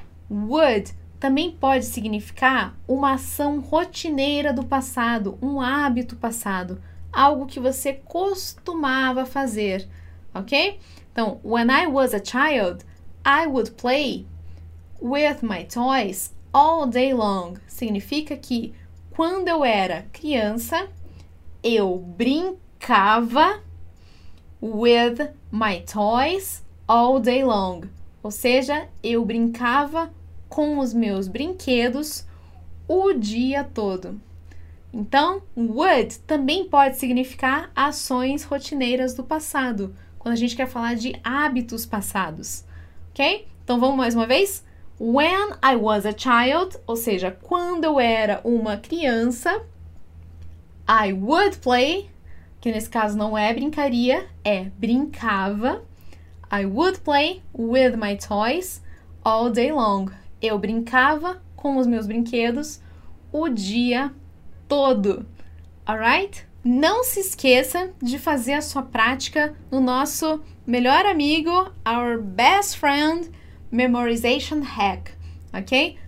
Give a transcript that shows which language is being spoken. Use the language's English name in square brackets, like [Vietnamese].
[Portuguese] Would também pode significar uma ação rotineira do passado, um hábito passado, algo que você costumava fazer, ok? [English] Então, when I was a child, I would play with my toys all day long. [Portuguese] Significa que quando eu era criança, eu brincava [English] with my toys all day long. [Portuguese] Ou seja, eu brincava com os meus brinquedos o dia todo. Então, would também pode significar ações rotineiras do passado, quando a gente quer falar de hábitos passados. Ok? Então, vamos mais uma vez? [English] When I was a child, [Portuguese] ou seja, quando eu era uma criança, [English] I would play, [Portuguese] que nesse caso não é brincaria, é brincava. [English] I would play with my toys all day long. [Portuguese] Eu brincava com os meus brinquedos o dia todo. [English] Alright? [Portuguese] Não se esqueça de fazer a sua prática no nosso melhor amigo, [English] our best friend, memorization hack. [Portuguese] Ok?